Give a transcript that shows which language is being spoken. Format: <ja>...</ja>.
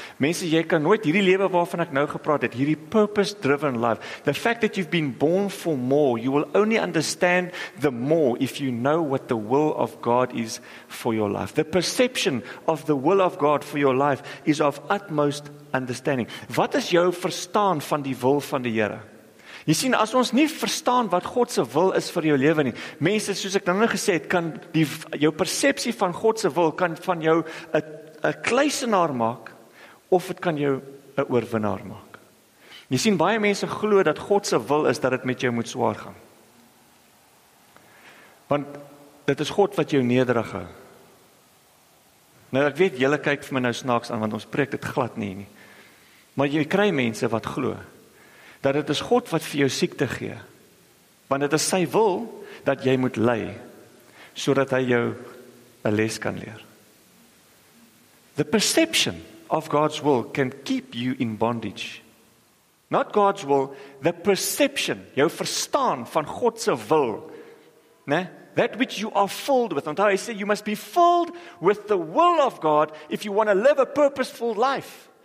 <af>Mense, jy kan nooit hierdie lewe waarvan ek nou gepraat</af> <en>het, hierdie purpose driven life, the fact that you've been born for more, you will only understand the more if you know what the will of God is for your life. The perception of the will of God for your life is of utmost understanding.</en> <af>Wat is jou verstaan van die wil van die Here? Jy sien, as ons nie verstaan wat God se wil is vir jou lewe nie, mense, soos ek nou gesê het, kan die jou persepsie van God se wil kan van jou 'n kluisenaar maak, of het kan jou 'n oorwinnaar maak. Jy sien, baie mense glo dat God se wil is, dat het met jou moet swaar gaan. Want, dit is God wat jou nederig hou. Nou, ek weet, julle kyk vir my nou snaaks aan, want ons preek dit glad nie. Maar jy kry mense wat glo, dat het is God wat vir jou siekte gee. Want het is sy wil, dat jy moet ly, sodat hy jou 'n les kan leer.</af> <en>The perception of God's will can keep you in bondage. Not God's will, the perception,</en> <af>jou verstaan van Godse wil. Né?</af> <en>That which you are filled with.</en> <af>Onthou, hy sê,</af> <en>you must be filled with the will of God if you want to live a purposeful life.</en>